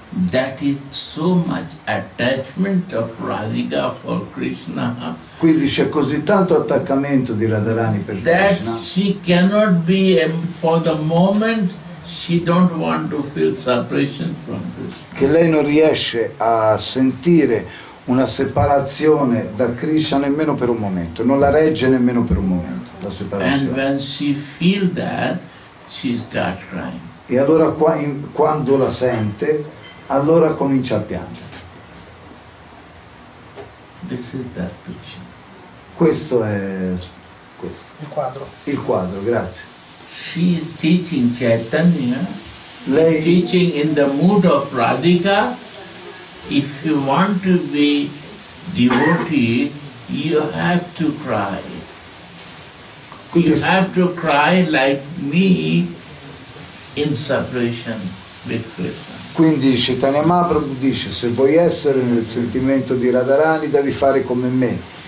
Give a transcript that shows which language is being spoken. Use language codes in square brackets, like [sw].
[en] That is so much attachment of Radhika for Krishna. [it] Quindi c'è così tanto attaccamento di Radharani per Krishna. [en] That she cannot be for the moment. She don't want to feel separation from Krishna. [it] Che lei non riesce a sentire una separazione da Krishna nemmeno per un momento, non la regge nemmeno per un momento la separazione. [en] And when she feel that, she start crying. [it] E allora qua, quando la sente, allora comincia a piangere. [en] This is that picture. [it] Questo è questo. Il quadro. Il quadro, grazie. [en] She is teaching Chaitanya. [it] Lei [en] is teaching in the mood of Radhika. If you want to be devotee, you have to cry. You have to cry like me in separation with Krishna. [it] Quindi Chaitanya Mahaprabhu dice, se vuoi essere nel sentimento di Radharani, devi fare come me.